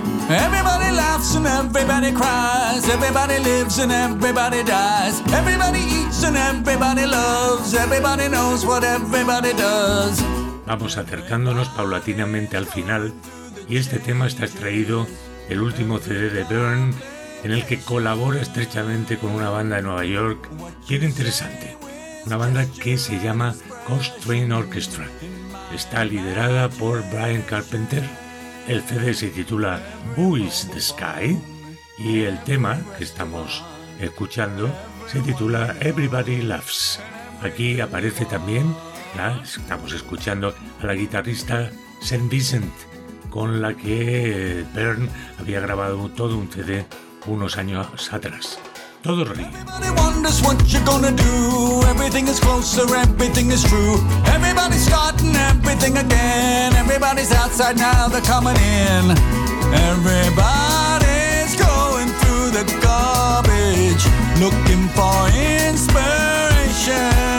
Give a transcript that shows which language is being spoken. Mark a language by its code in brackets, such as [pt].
[en] Everybody laughs and everybody cries. Everybody lives and everybody dies. Everybody eats and everybody loves. Everybody knows what everybody does. [es] Vamos acercándonos paulatinamente al final y este tema está extraído del último CD de Byrne, en el que colabora estrechamente con una banda de Nueva York bien interesante, una banda que se llama Ghost Train Orchestra. Está liderada por Brian Carpenter. El CD se titula Who is the Sky y el tema que estamos escuchando se titula Everybody Laughs. Aquí aparece también, ¿la? Estamos escuchando a la guitarrista St. Vincent, con la que Byrne había grabado todo un CD unos años atrás. Todo ríe. [en] Everybody wonders what you're gonna do. Everything is closer, everything is true. Everybody's starting everything again. Everybody's outside now, they're coming in. Everybody's going through the garbage, looking for inspiration.